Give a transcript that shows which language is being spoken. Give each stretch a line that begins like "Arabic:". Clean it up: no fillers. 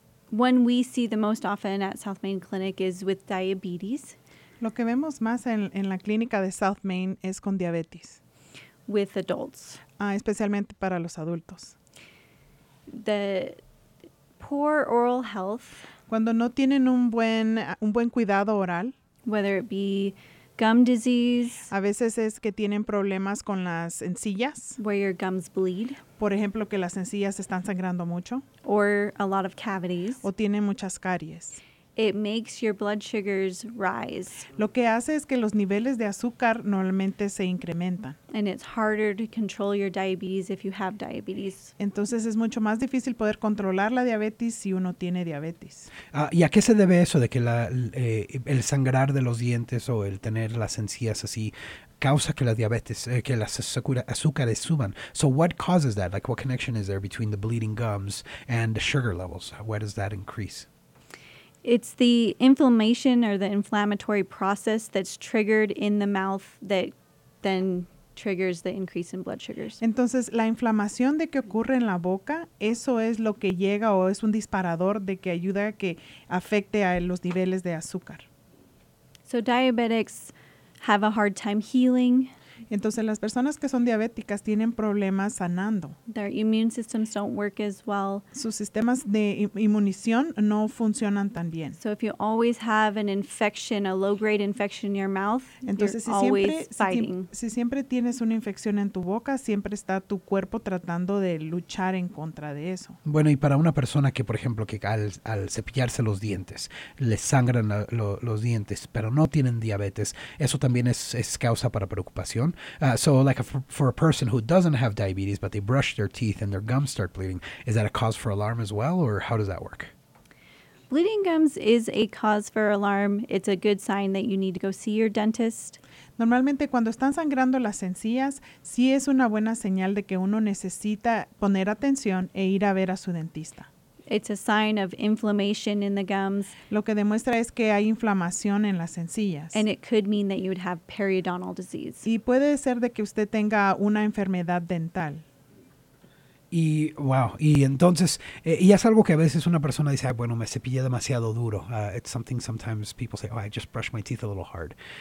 English: one we see the most often at South Main Clinic is with diabetes.
Spanish: Lo que vemos más en la clínica de South Main es con diabetes.
English: With adults.
Spanish: Especialmente para los adultos.
English: The poor oral health.
Spanish: Cuando no tienen un buen cuidado oral.
English: Whether it be gum disease.
Spanish: A veces es que tienen problemas con las encías.
English: Where your gums bleed.
Spanish: Por ejemplo, que las encías están sangrando mucho.
English: Or a lot of cavities.
Spanish: O tienen muchas caries.
English: It makes your blood sugars rise.
Spanish: Lo que hace es que los niveles de azúcar normalmente se incrementan.
English: And it's harder to control your diabetes if you have diabetes.
Spanish: Entonces es mucho más difícil poder controlar la diabetes si uno tiene diabetes. ¿Y a qué se debe eso de que el sangrar de los dientes o el tener las encías así causa que la diabetes, que las azúcares suban?
English: So what causes that? Like what connection is there between the bleeding gums and the sugar levels? Where does that increase? It's the inflammation or the inflammatory process that's triggered in the mouth that then triggers the increase in blood sugars.
Spanish: Entonces, la inflamación de que ocurre en la boca, eso es lo que llega o es un disparador de que ayuda a que afecte a los niveles de azúcar.
English: So diabetics have a hard time healing.
Spanish: Entonces, las personas que son diabéticas tienen problemas sanando.
English: Their immune systems don't work as well.
Spanish: Sus sistemas de inmunización no funcionan tan bien.
English: So if you always have an infection, a low-grade infection in your mouth,
Spanish: entonces,
English: you're always fighting.
Spanish: Si siempre tienes una infección en tu boca, siempre está tu cuerpo tratando de luchar en contra de eso. Bueno, y para una persona que, por ejemplo, que al cepillarse los dientes, le sangran los dientes, pero no tienen diabetes, eso también es causa para preocupación.
English: So, for a person who doesn't have diabetes, but they brush their teeth and their gums start bleeding, is that a cause for alarm as well, or how does that work? Bleeding gums is a cause for alarm. It's a good sign that you need to go see your dentist.
Spanish: Normalmente, cuando están sangrando las encías, sí es una buena señal de que uno necesita poner atención e ir a ver a su dentista.
English: It's a sign of inflammation in the gums.
Spanish: Lo que demuestra es que hay inflamación en las encías.
English: And it could mean that you would have periodontal disease.
Spanish: Y puede ser de que usted tenga una enfermedad dental. Y, wow, y entonces, y es algo que a veces una persona dice, bueno, me cepillé demasiado duro.
English: It's something sometimes people say, oh, I just brushed my teeth a little hard.